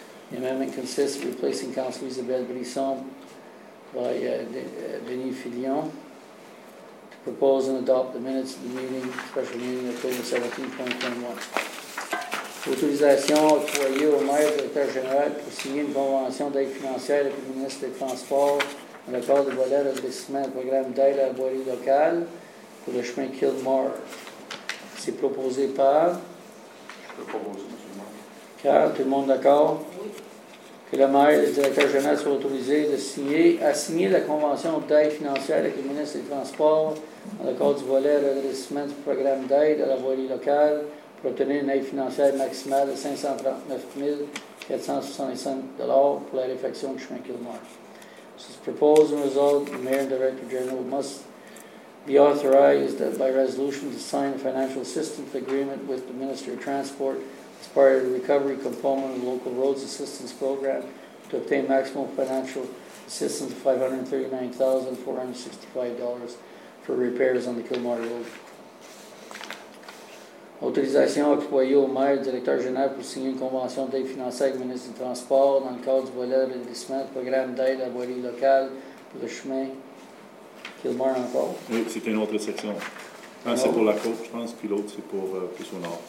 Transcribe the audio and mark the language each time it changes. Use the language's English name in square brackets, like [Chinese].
[English] The amendment consists of replacing Councilor Isabelle Brisson by Denis Fillion to propose and adopt the minutes of the meeting, special meeting, October 17, 2021. [French] Autorisation octroyée au maire directeur général pour signer une convention d'aide financière avec le ministre des Transports en accord de volet d'investissement du programme d'aide à la voirie locale pour le chemin Kilmore. C'est proposé par. Je propose, M. Le maire. Tout le monde d'accord? Que le maire et le directeur général soient autorisés à signer la convention d'aide financière avec le ministre des Transports dans le cadre du volet redressement du programme d'aide à la voirie locale pour obtenir une aide financière maximale de 539 465 $ pour la réfection du chemin Kilmore. C'est [English] proposed and resolved, the Mayor and Director General must be authorized by resolution to sign a financial assistance agreement with the Minister of Transport as part of the recovery component of the Local Roads Assistance Program to obtain maximum financial assistance of $539,465 for repairs on the Kilmore Road. [French] Autorisation octroyée au maire directeur général pour signer une convention d'aide financière avec le ministre des Transports dans le cadre du volet de redressement du programme d'aide à la voirie locale pour le chemin Kilmore en cours. Oui, c'est une autre section. Un, c'est pour la côte, je pense, puis l'autre, c'est pour plus au nord.